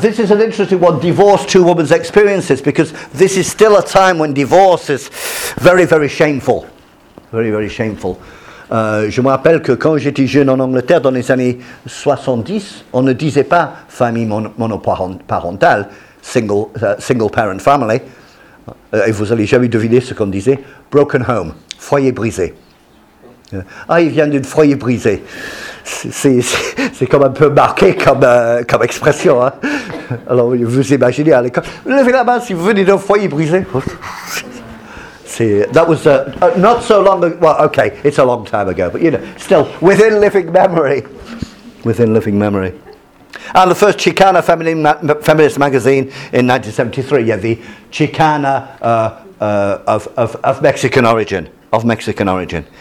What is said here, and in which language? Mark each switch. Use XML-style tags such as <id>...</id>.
<en>This is an interesting one, divorce, two women's experiences, because this is still a time when divorce is very, very shameful. Very, very shameful.</en> <fr>Je me rappelle que quand j'étais jeune en Angleterre, dans les années 70, on ne disait pas famille monoparentale.</fr> <en>Single parent family,</en> <fr>Et vous allez jamais deviner ce qu'on disait.</fr> <en>Broken home,</en> <fr>foyer brisé. Ah, il vient d'un foyer brisé. C'est comme un peu marqué comme expression. Hein. Alors, vous imaginez à l'école. Levez la main si vous venez d'un foyer brisé.</fr> <en>That was not so long ago. Well, okay, it's a long time ago, but you know, still within living memory. Within living memory. And the first Chicana feminist magazine in 1973. Yeah, the Chicana of Mexican origin. Of Mexican origin.</en>